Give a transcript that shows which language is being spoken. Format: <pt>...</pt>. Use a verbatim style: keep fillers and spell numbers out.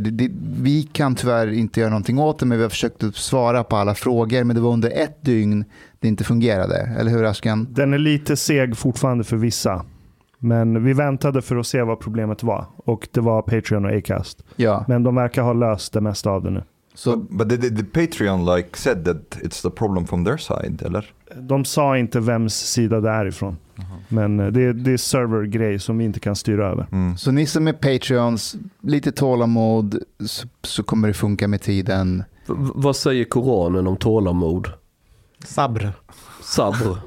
<sv>Det, det, vi kan tyvärr inte göra någonting åt det, men vi har försökt att svara på alla frågor, men det var under ett dygn det inte fungerade. Eller hur, Askan? Den är lite seg fortfarande för vissa. Men vi väntade för att se vad problemet var. Och det var Patreon och Acast. Ja. Men de verkar ha löst det mesta av det nu.</sv> <en>So, but did the Patreon like said that it's the problem from their side, eller?</en> <sv>De sa inte vems sida det är ifrån. Uh-huh. Men det, det är servergrej som vi inte kan styra över. Mm. Så ni som är Patreons, lite tålamod så, så kommer det funka med tiden. V- vad säger Koranen om tålamod?</sv> <ar>Sabr. Sabr.</ar>